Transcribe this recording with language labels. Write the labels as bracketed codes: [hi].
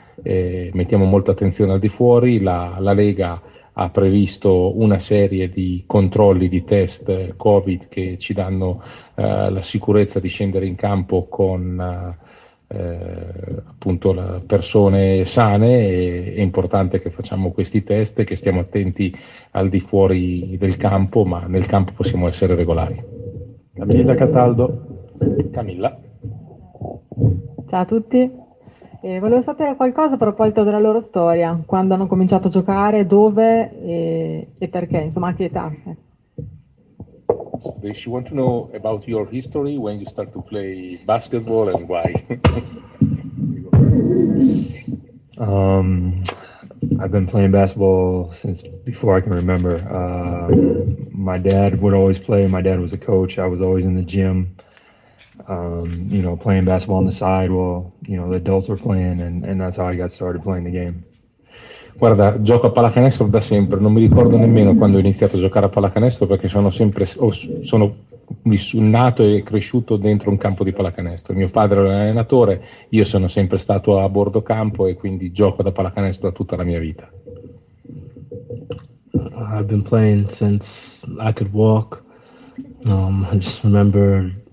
[it] Mettiamo molta attenzione al di fuori, la Lega ha previsto una serie di controlli di test Covid che ci danno la sicurezza di scendere in campo con appunto persone sane. È importante che facciamo questi test, che stiamo attenti al di fuori del campo, ma nel campo possiamo essere regolari. Camilla Cataldo. Camilla. Ciao a tutti, volevo sapere qualcosa a proposito della loro storia, quando hanno cominciato a giocare, dove e perché, insomma, a che età. [en] So she wants to know about your history, when you start to play basketball and why. I've been playing basketball since before I can remember. My dad would always play. My dad was a coach. I was always in the gym, playing basketball on the side while, the adults were playing, and that's how I got started playing the game. [it] Guarda, gioco a pallacanestro da sempre, non mi ricordo nemmeno quando ho iniziato a giocare a pallacanestro perché sono nato e cresciuto dentro un campo di pallacanestro. Mio padre era un allenatore, io sono sempre stato a bordo campo e quindi gioco da pallacanestro da tutta la mia vita. [en] I've been playing since I could walk. I just remember